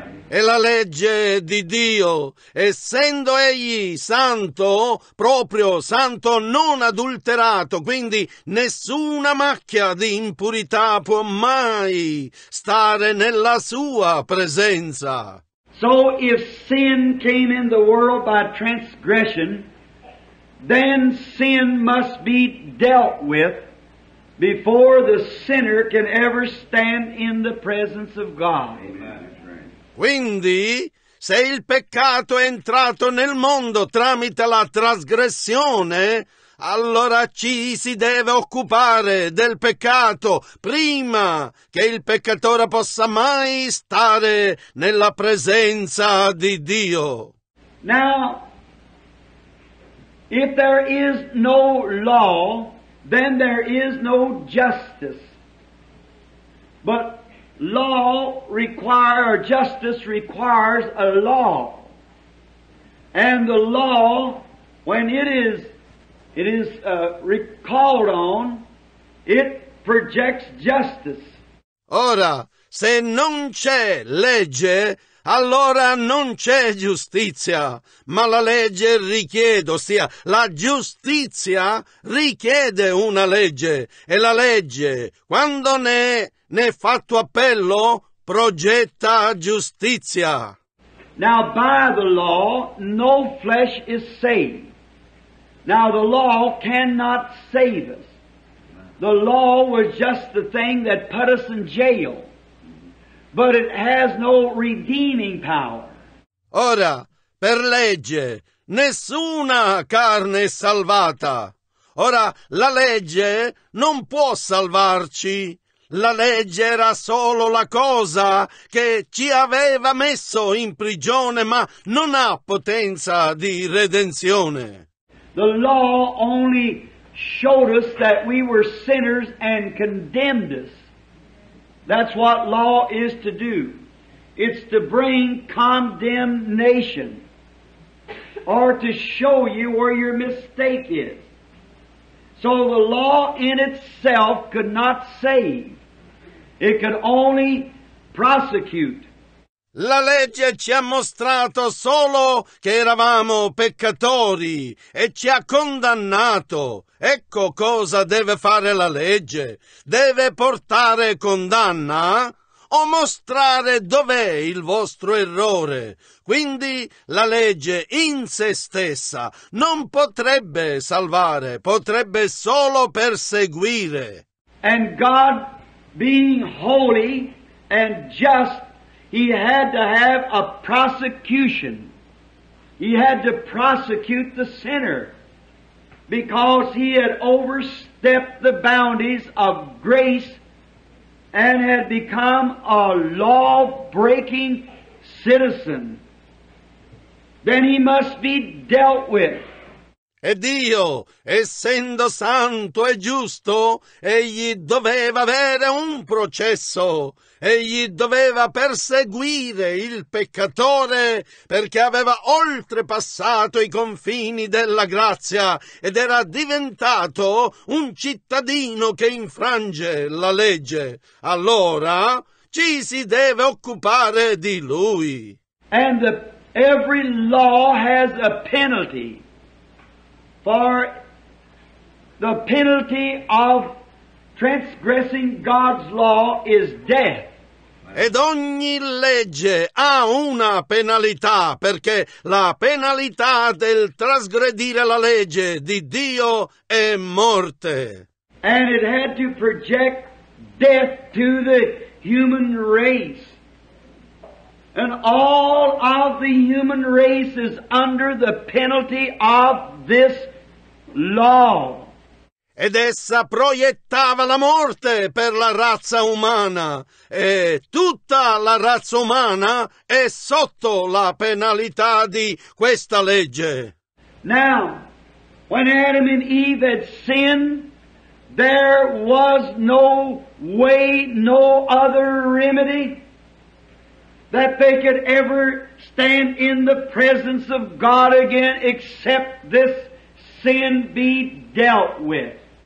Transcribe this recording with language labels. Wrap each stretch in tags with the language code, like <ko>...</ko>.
<it>E la legge di Dio, essendo egli santo, proprio santo, non adulterato, quindi nessuna macchia di impurità può mai stare nella sua presenza.</it> <en>So if sin came in the world by transgression, then sin must be dealt with before the sinner can ever stand in the presence of God.</en> <it>Quindi, se il peccato è entrato nel mondo tramite la trasgressione, allora ci si deve occupare del peccato prima che il peccatore possa mai stare nella presenza di Dio.</it> <en>Now, if there is no law, then there is no justice. But law requires, justice requires a law. And the law, when it is recalled on, it projects justice.</en> <it>Ora, se non c'è legge, allora non c'è giustizia, ma la legge richiede, ossia la giustizia richiede una legge, e la legge, quando ne è fatto appello, progetta giustizia.</it> <en>Now by the law no flesh is saved. Now the law cannot save us. The law was just the thing that put us in jail. But it has no redeeming power.</en> <it>Ora, per legge, nessuna carne è salvata. Ora, la legge non può salvarci. La legge era solo la cosa che ci aveva messo in prigione, ma non ha potenza di redenzione.</it> <en>The law only showed us that we were sinners and condemned us. That's what law is to do. It's to bring condemnation or to show you where your mistake is. So the law in itself could not save. It could only prosecute.</en> <it>La legge ci ha mostrato solo che eravamo peccatori e ci ha condannato. Ecco cosa deve fare la legge. Deve portare condanna o mostrare dov'è il vostro errore. Quindi la legge in se stessa non potrebbe salvare, potrebbe solo perseguire.</it> <en>And God being holy and just, he had to have a prosecution. He had to prosecute the sinner because he had overstepped the boundaries of grace and had become a law-breaking citizen. Then he must be dealt with.</en> <it>E Dio, essendo santo e giusto, egli doveva avere un processo. Egli doveva perseguire il peccatore perché aveva oltrepassato i confini della grazia ed era diventato un cittadino che infrange la legge. Allora ci si deve occupare di lui.</it> <en>And every law has a penalty. For the penalty of transgressing God's law is death.</en> <it>Ed ogni legge ha una penalità, perché la penalità del trasgredire la legge di Dio è morte.</it> <en>And it had to project death to the human race. And all of the human race is under the penalty of this law.</en> <it>Ed essa proiettava la morte per la razza umana, e tutta la razza umana è sotto la penalità di questa legge.</it> <en>Now, when Adam and Eve had sinned, There was no way, no other remedy that they could ever stand in the presence of God again except this sin be dealt with.</en>